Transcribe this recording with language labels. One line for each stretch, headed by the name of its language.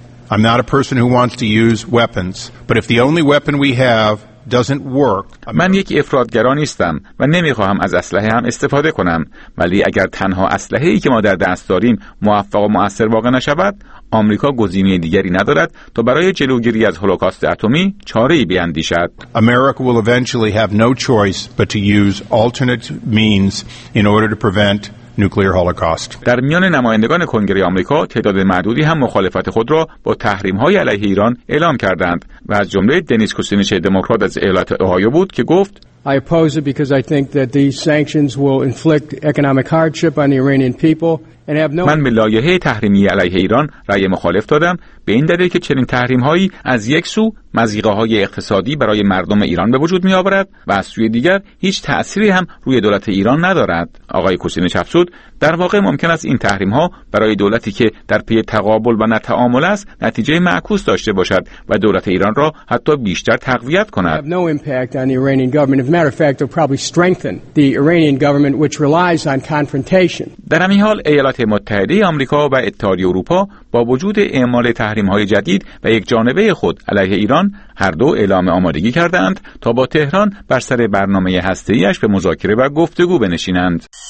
English: I'm not a person who wants to use weapons, but if the only weapon we have doesn't work.
Persian: من یک افراطگرا نیستم و نمیخوام از اسلحه هم استفاده کنم، ولی اگر تنها اسلحه ای که ما در دست داریم موفق و مؤثر واقع نشود، آمریکا گزینه دیگری ندارد تا برای جلوگیری از هولوکاست اتمی چاره‌ای بیندیشد.
English: America will eventually have no choice but to use alternate means in order to prevent nuclear holocaust.
Persian: در میان نمایندگان کنگره آمریکا تعداد معدودی هم مخالفت خود را با تحریم‌های علیه ایران اعلام کردند و از جمله دنیس کوسینیچ، دموکرات از ایالت اوهایو بود، که گفت:
English: I oppose it because I think that these sanctions will inflict economic hardship on the Iranian people.
Persian: من به لایحه تحریمی علیه ایران رأی مخالف دادم، به این دلیل که چنین تحریم‌هایی از یک سو مضیقه‌های اقتصادی برای مردم ایران به وجود می‌آورد و از سوی دیگر هیچ تأثیری هم روی دولت ایران ندارد. آقای کوسینیچ افزود: در واقع ممکن است این تحریم‌ها برای دولتی که در پی تقابل و نتعامل است نتیجه معکوس داشته باشد و دولت ایران را حتی بیشتر تقویت کند.
English: No impact on the Iranian government. As a matter of fact, it'll probably strengthen the Iranian government, which relies on confrontation.
Persian: در همین حال، ایالات متحده آمریکا و اتحادیه اروپا با وجود اعمال تحریم‌های جدید و یک جانبه خود علیه ایران، هر دو اعلام آمادگی کردند تا با تهران بر سر برنامه هسته‌ای‌اش به مذاکره و گفتگو بنشینند.